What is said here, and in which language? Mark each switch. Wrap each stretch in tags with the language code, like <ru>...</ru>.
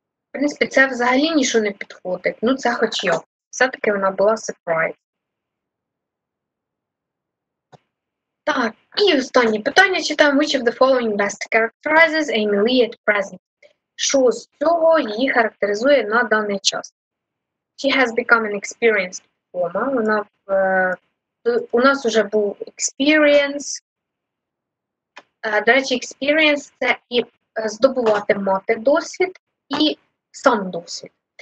<uk>В принципі, це взагалі нічого не підходить. Ну, це хоч йо. Все-таки вона була surprise. Так, і останнє питання читаємо.</uk> <en>Which of the following best characterizes Amy Lee at present?</en> <uk>Що з цього її характеризує на даний час?</uk> <en>She has become an experienced performer.</en> <uk>У нас вже був experience. До речі, experience – це і здобувати, мати досвід, і сам досвід.</uk>